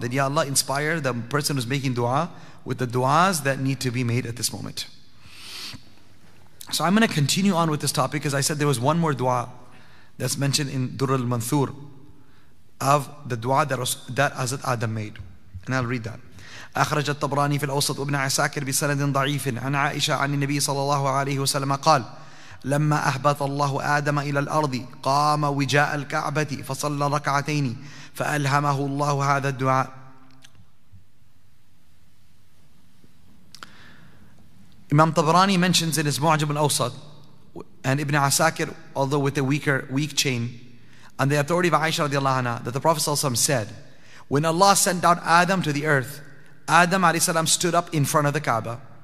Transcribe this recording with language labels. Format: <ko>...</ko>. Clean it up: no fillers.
<en>That Ya Allah, inspire the person who's making du'a with the du'as that need to be made at this moment. So I'm going to continue on with this topic because I said there was one more dua that's mentioned in Durr al-Manthur of the dua that Hazrat Adam made. And I'll read that.</en> <ar>أخرج الطبراني في الأوسط وابن عساكر بسند ضعيف عن عائشة عن النبي صلى الله عليه وسلم قال لما أهبط الله آدم إلى الأرض قام وجاء الكعبة فصلى ركعتين فألهمه الله هذا الدعاء.</ar> <en>Imam Tabrani mentions in his Mu'jam al-Awsat and Ibn Asakir, although with a weak chain, on the authority of Aisha radiallahu anha, that the Prophet said, when Allah sent down Adam to the earth, Adam alayhi salam stood up in front of the Kaaba.</en>